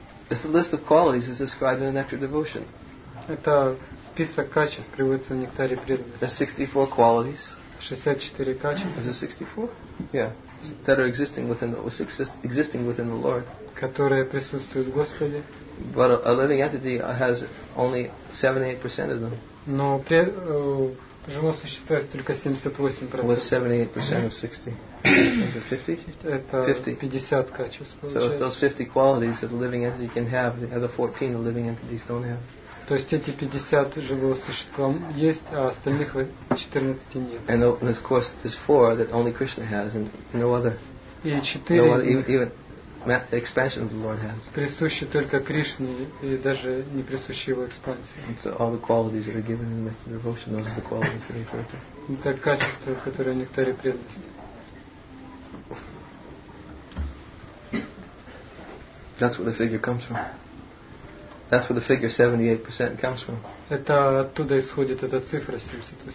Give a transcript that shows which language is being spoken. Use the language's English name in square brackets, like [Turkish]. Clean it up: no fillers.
[English] It's a list of qualities as described in the Nectar Devotion. [Russian] Это список качеств приводится в Нектаре Преданности. [English] There's 64 qualities. [Russian] 64 качества. [English] Is it 64? Yeah. That are existing within the Lord. [Russian] Которые присутствуют в Господе. [English] But a living entity has only 78% of them. [Russian] Но живое существо есть только 78%. [English] What's 78% of 60? Is it 50? [Russian] Это 50 качеств получается. [English] So it's those 50 qualities that a living entity can have, the other 14 the living entities don't have. [Russian] То есть эти 50 живого существа есть, а остальных 14 нет. [English] And of course there's 4 that only Krishna has and no other. [Russian] И 4 [English] even expansion of the Lord has. [Russian] Присущи только Кришне и даже не присущи его экспансии. [English] So all the qualities that are given in the devotion, those are the qualities that are referred to. [Russian] Это качества, которые в Нектаре Преданности. [English] That's where the figure comes from. That's where the figure 78% comes from. [Russian] Это оттуда исходит эта цифра 78%.